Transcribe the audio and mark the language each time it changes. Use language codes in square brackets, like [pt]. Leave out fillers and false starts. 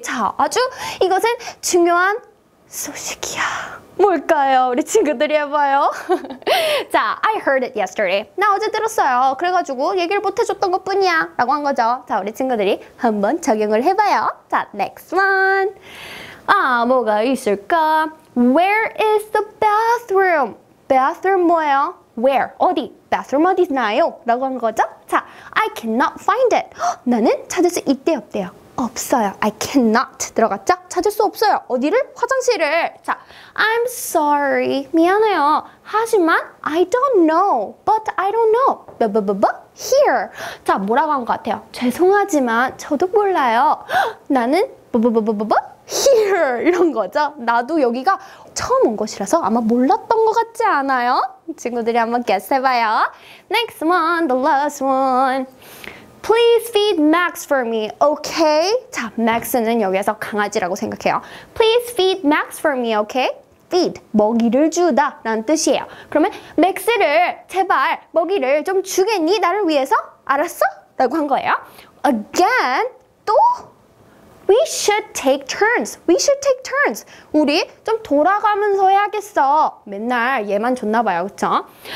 [ko] 자, 아주 이것은 중요한 소식이야. 뭘까요? 우리 친구들이 해봐요. 자, [en] I heard it yesterday. [ko] 나 어제 들었어요. 그래가지고 얘기를 못 해줬던 것 뿐이야 라고 한 거죠. 자, 우리 친구들이 한번 적용을 해봐요. [en] 자, next one. [ko] 아, 뭐가 있을까? [en] Where is the bathroom? Bathroom [ko] 뭐예요? where, 어디, bathroom 어디 있나요? 라고 한 거죠. 자, [en] I cannot find it. [ko] 나는 찾을 수 있대요, 없대요? 없어요. [en] I cannot [ko] 들어갔죠? 찾을 수 없어요. 어디를? 화장실을. 자, [en] I'm sorry. [ko] 미안해요. 하지만 [en] I don't know. But I don't know. [ko] 뭐뭐뭐뭐? Here. 자, 뭐라고 한 것 같아요? 죄송하지만 저도 몰라요. 나는 뭐뭐뭐뭐뭐? Here. 이런 거죠? 나도 여기가 처음 온 곳이라서 아마 몰랐던 것 같지 않아요? 친구들이 한번 guess 해봐요. [en] Next one. The last one. Please feed Max for me, okay? [ko] 자, Max는 여기에서 강아지라고 생각해요. [en] Please feed Max for me, okay? [ko] Feed, 먹이를 주다 라는 뜻이에요. 그러면 Max를 제발 먹이를 좀 주겠니? 나를 위해서? 알았어? 라고 한 거예요. Again, 또? [en] We should take turns. We should take turns. [ko] 우리 좀 돌아가면서 해야겠어. 맨날 얘만 줬나 봐요, 그쵸?